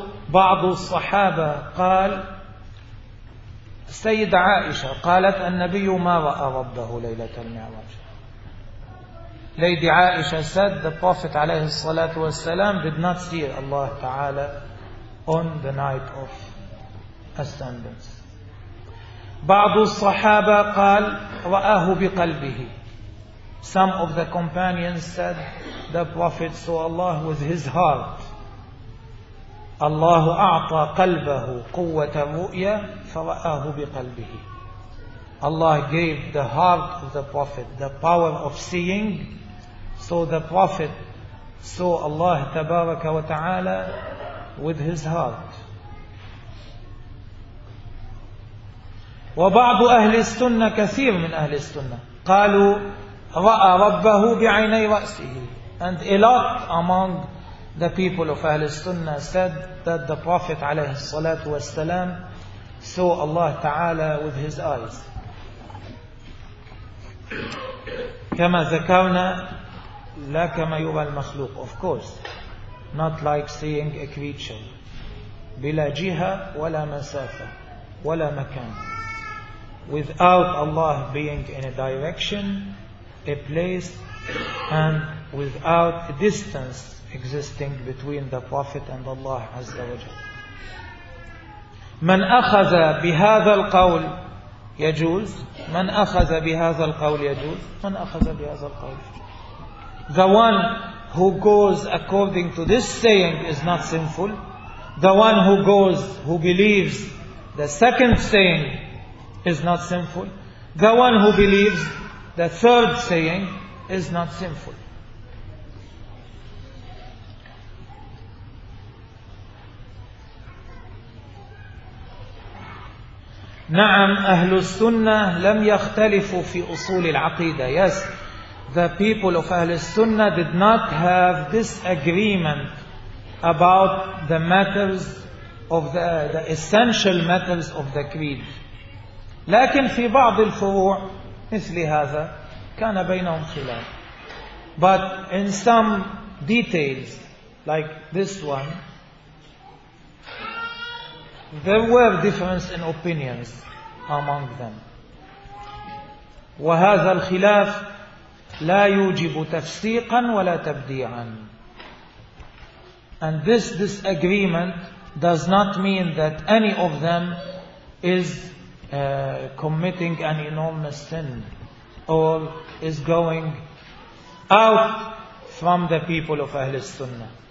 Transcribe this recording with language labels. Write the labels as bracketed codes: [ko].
[ar] بعض الصحابة قال السيدة عائشة قالت النبي ما رأى ربه ليلة المعراج. [en] Lady Aisha said the Prophet [ar] عليه الصلاة والسلام [en] did not see Allah تعالى on the night of ascendance. [ar] بعض الصحابة قال رآه بقلبه. [en] Some of the companions said the Prophet saw Allah with his heart. [ar] Allah أعطى قلبه قوة رؤية فرآه بقلبه. [en] Allah gave the heart of the Prophet the power of seeing, so the Prophet saw Allah [ar] تبارك وتعالى [en] with his heart. [ar] وبعض أهل السنة كثير من أهل السنة قالوا رأى ربه بعيني رأسه. [en] And a lot among the people of Ahl al-Sunnah said that the Prophet [ar] عليه الصلاة والسلام [en] saw Allah تعالى with his eyes. [ar] كما ذكرنا لا كما يرى المخلوق. [en] Of course, not like seeing a creature. [ar] بلا جهة ولا مسافة ولا مكان. [en] Without Allah being in a direction, a place, and without a distance existing between the Prophet and Allah Azza wa Jalla. [ar] من أخذ بهذا القول يجوز. من أخذ بهذا القول يجوز. من أخذ بهذا القول. [en] The one who goes according to this saying is not sinful. The one who goes, who believes the second saying is not sinful. The one who believes the third saying is not sinful. [ar] نعم أهل السنة لم يختلفوا في أصول العقيدة. [en] Yes, the people of أهل السنة did not have disagreement about the matters of the essential matters of the creed. [ar] لكن في بعض الفروع مثل هذا كان بينهم خلاف. [en] But in some details like this one, there were differences in opinions among them. [ar] وهذا الخلاف لا يوجب تفسيقا ولا تبديعا. [en] And this disagreement does not mean that any of them is committing an enormous sin or is going out from the people of Ahl Sunnah.